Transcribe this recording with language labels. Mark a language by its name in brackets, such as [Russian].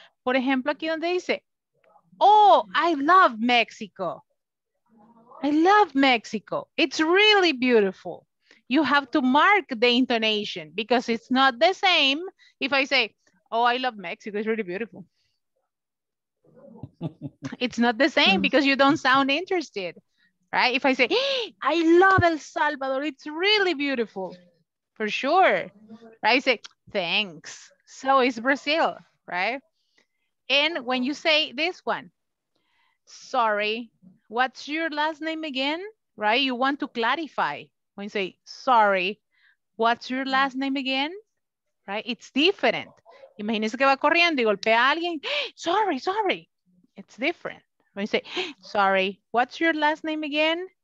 [Spanish] Por ejemplo, aquí donde dice, [English] oh, I love Mexico. I love Mexico. It's really beautiful. You have to mark the intonation because it's not the same if I say, oh, I love Mexico. It's really beautiful. It's not the same because you don't sound interested, right? If I say, hey, I love El Salvador. It's really beautiful. For sure. Right? I say, thanks. So is Brazil, right? And when you say this one, sorry, what's your last name again? Right? You want to clarify. When you say, sorry, what's your last name again? Right? It's different. [Spanish] Imagínese que va corriendo y golpea a alguien. [English] Sorry, sorry. It's different. When you say, sorry, what's your last name again?